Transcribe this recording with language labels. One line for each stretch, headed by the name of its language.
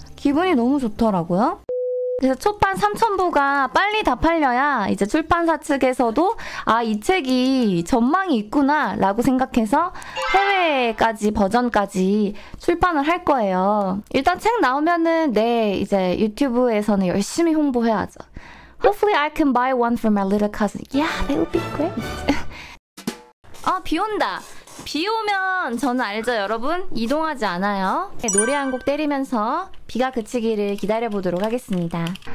Korean: 기분이 너무 좋더라고요. 그래서 초판 3,000부가 빨리 다 팔려야 이제 출판사 측에서도 아, 이 책이 전망이 있구나 라고 생각해서 해외까지 버전까지 출판을 할 거예요. 일단 책 나오면은 내 이제 유튜브에서는 열심히 홍보해야죠.
English: Hopefully I can buy one for my little cousin. Yeah, that would be great.
Korean: 아, 비 온다. 비 오면 저는 알죠 여러분? 이동하지 않아요. 노래 한 곡 때리면서 비가 그치기를 기다려보도록 하겠습니다.